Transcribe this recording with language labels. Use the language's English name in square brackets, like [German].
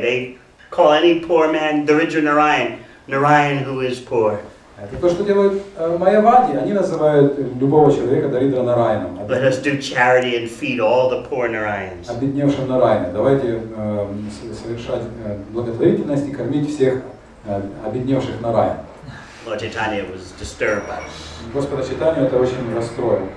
[English] They call any poor man Dharidra Narayan, Narayan who is poor. [Russian] Это то, что делают майявади. Они называют любого человека Даридра Нараяном. [English] Let us do charity and feed all the poor Narayans. [Russian] Обедневшим Нараяне. Давайте совершать благотворительность и кормить всех обедневших Нараян. [English] Lord Chaitanya was disturbed by this. [Russian] Господа Чайтанью это очень расстроило.